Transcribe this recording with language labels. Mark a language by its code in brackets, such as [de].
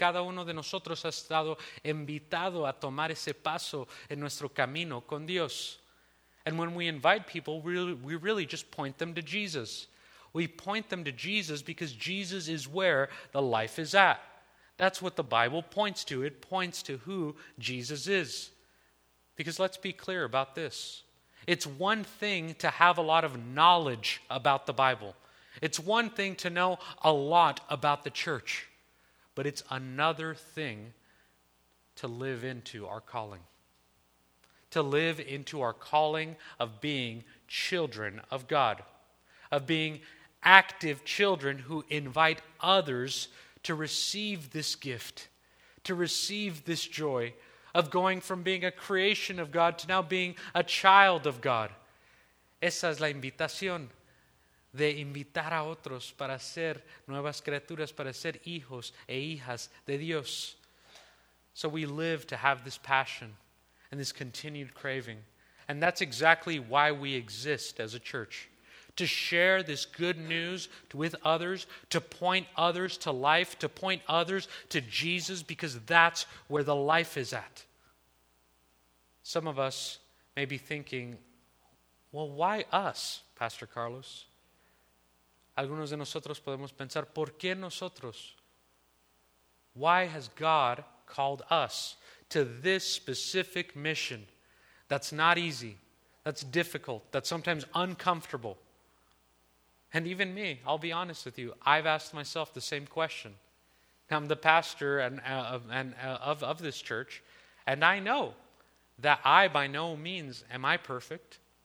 [es] Cada uno de nosotros ha estado invitado a tomar ese paso en nuestro camino con Dios. [en] And when we invite people, we really just point them to Jesus. We point them to Jesus because Jesus is where the life is at. That's what the Bible points to. It points to who Jesus is. Because let's be clear about this. It's one thing to have a lot of knowledge about the Bible. It's one thing to know a lot about the church. But it's another thing to live into our calling. To live into our calling of being children of God. Of being active children who invite others to receive this gift, to receive this joy of going from being a creation of God to now being a child of God. [es] Esa es la invitación de invitar a otros para ser nuevas criaturas, para ser hijos e hijas de Dios. [en] So we live to have this passion and this continued craving. And that's exactly why we exist as a church, to share this good news with others, to point others to life, to point others to Jesus, because that's where the life is at. Some of us may be thinking, well, why us, Pastor Carlos? [es] Algunos de nosotros podemos pensar, ¿por qué nosotros? [en] Why has God called us to this specific mission? That's not easy, that's difficult, that's sometimes uncomfortable. And even me, I'll be honest with you, I've asked myself the same question. I'm the pastor of this church, and I know that I by no means am I perfect.